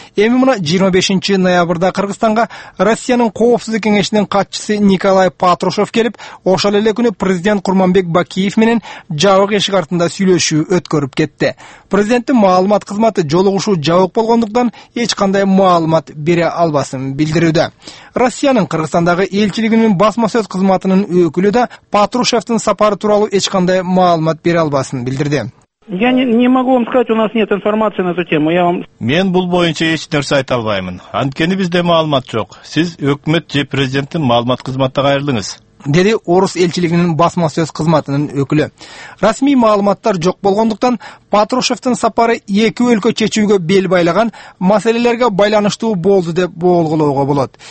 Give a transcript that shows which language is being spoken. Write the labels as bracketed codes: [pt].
[ky] Эми мына 25 ноябрда Кыргызстанга Россиянын коопсуздук кеңешинин катчысы Николай Патрушев келип, ошол эле күнү президент Курманбек Бакиев менен жабык эшик артында сүйлөшүү өткөрүп кетти. Президенттин маалымат кызматы жолугушуу жабык болгондуктан эч кандай маалымат бере албасын билдирүүдө. Россиянын Кыргызстандагы элчилигинин басма сөз кызматынын өкүлү да Патрушевдин сапары тууралуу эч кандай маалымат бере албасын билдирди. [ru] Я не могу вам сказать, у нас нет информации на эту тему. [ky] Мен бул боюнча эч нерсе айта албаймын. Анткени бизде маалымат жок. Сиз өкмөт же президенттин маалымат кызматына кайрылыңыз. деди орус элчилигинин басма сөз кызматынын өкүлү. Расмий маалыматтар жок болгондуктан Патрушевдин сапары эки өлкө чечүүгө бел байлаган маселелерге байланыштуу болду деп болгулоого болот.